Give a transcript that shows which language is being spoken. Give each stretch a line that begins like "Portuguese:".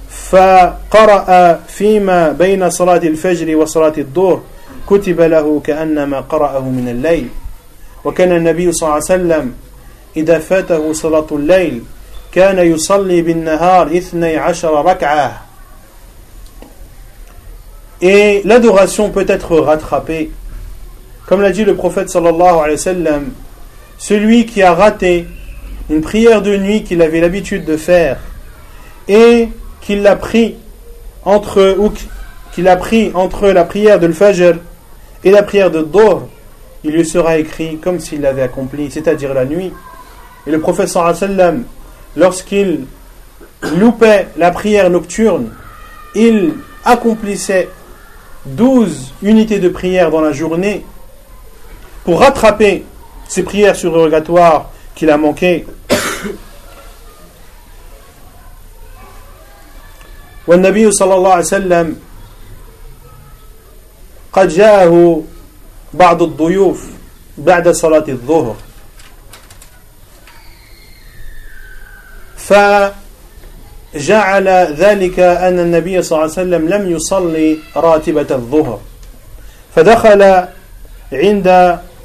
Arabic: فقرأ فيما بين صلاة الفجر وصلاة الظهر كتب له كأنما قرأه من الليل وكان النبي صلى الله عليه وسلم إذا فاته صلاة الليل كان يصلي بالنهار 12 ركعة.
French: Et l'adoration peut être rattrapée. Comme l'a dit le prophète sallallahu alayhi wa sallam, celui qui a raté une prière de nuit qu'il avait l'habitude de faire et qu'il a pris entre la prière de l'Fajr et la prière de Dhuhr, il lui sera écrit comme s'il l'avait accompli, c'est-à-dire la nuit. Et le prophète sallam, lorsqu'il loupait la prière nocturne, il accomplissait 12 unités de prière dans la journée pour rattraper ses prières surrogatoires qu'il a manquées.
Arabic: والنبي صلى الله عليه وسلم قد جاءه بعض الضيوف بعد صلاة الظهر فجعل ذلك أن النبي صلى الله عليه وسلم لم يصلي راتبة الظهر فدخل عند